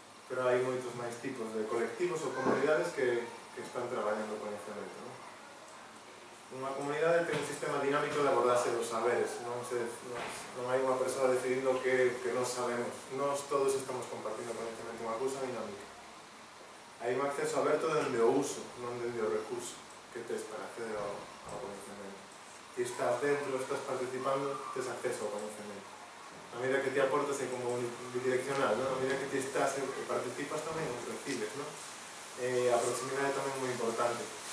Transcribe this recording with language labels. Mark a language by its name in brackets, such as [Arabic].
[Galician] Pero hai moitos máis tipos de colectivos ou comunidades que están traballando con este evento, ¿no? Unha comunidade ten un sistema dinámico de abordarse dos saberes. Non hai unha persoa decidindo que non sabemos. Non todos estamos compartindo conhecimento, unha cousa dinámica. Hai un acceso aberto dende o uso, non dende o recurso que tens para acceder ao conhecimento. [Spanish] y estás dentro, estás participando, tienes acceso al conocimiento. A medida que te aportas es como bidireccional, ¿no? A medida que te estás y participas también, recibes, ¿no? A proximidad es también muy importante.